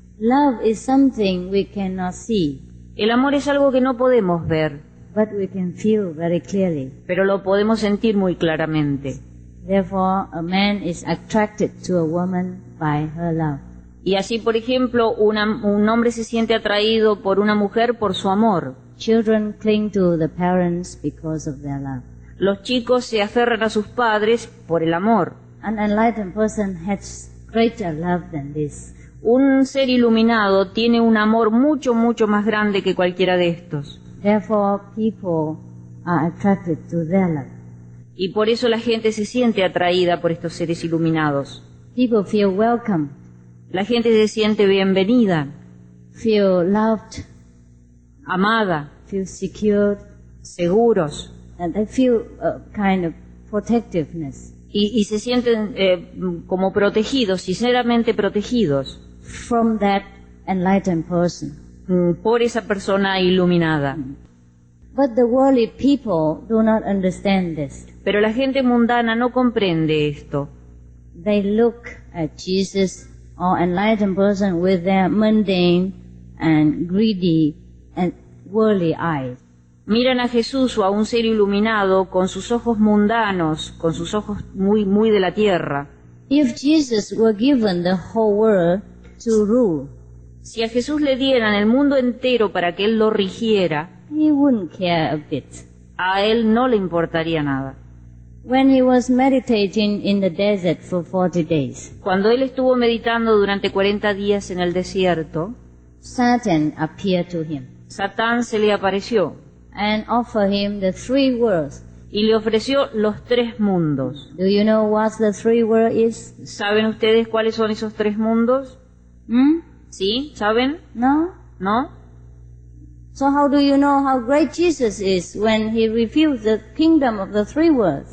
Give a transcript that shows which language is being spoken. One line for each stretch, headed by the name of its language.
English: Love is something we cannot see.
Spanish: El amor es algo que no podemos ver,
English: but we can feel very clearly.
Spanish: Pero lo podemos sentir muy claramente.
English: Therefore, a man is attracted to a woman by her love.
Spanish: Y así, por ejemplo, un hombre se siente atraído por una mujer por su amor.
English: Children cling to the parents because of their love.
Spanish: Los chicos se aferran a sus padres por el amor.
English: An enlightened person has greater love than this.
Spanish: Un ser iluminado tiene un amor mucho, mucho más grande que cualquiera de estos.
English: Therefore, people are attracted to their love.
Spanish: Y por eso la gente se siente atraída por estos seres iluminados.
English: People feel welcome.
Spanish: La gente se siente bienvenida.
English: Feel loved.
Spanish: Amada.
English: Feel secured.
Spanish: Seguros.
English: And they feel a kind of protectiveness.
Spanish: Y se sienten como protegidos, sinceramente protegidos.
English: From that enlightened person.
Spanish: Por esa persona iluminada.
English: But the worldly people do not understand this.
Spanish: Pero la gente mundana no comprende esto.
English: They look at Jesus or enlightened person with their mundane and greedy and worldly eyes.
Spanish: Miran a Jesús o a un ser iluminado con sus ojos mundanos, con sus ojos muy, muy de la tierra.
English: If Jesus were given the whole world to rule,
Spanish: si a Jesús le dieran el mundo entero para que él lo rigiera,
English: he wouldn't care a bit.
Spanish: A él no le importaría nada.
English: When he was meditating in the desert for 40 days,
Spanish: cuando él estuvo meditando durante 40 días en el desierto,
English: Satan appeared to him.
Spanish: Satán se le apareció.
English: And offered him the three worlds.
Spanish: Y le ofreció los tres mundos.
English: Do you know what the three worlds is?
Spanish: ¿Saben ustedes cuáles son esos tres mundos? ¿Sí? ¿Saben? No. ¿No?
English: So how do you know how great Jesus is when he refused the kingdom of the three worlds?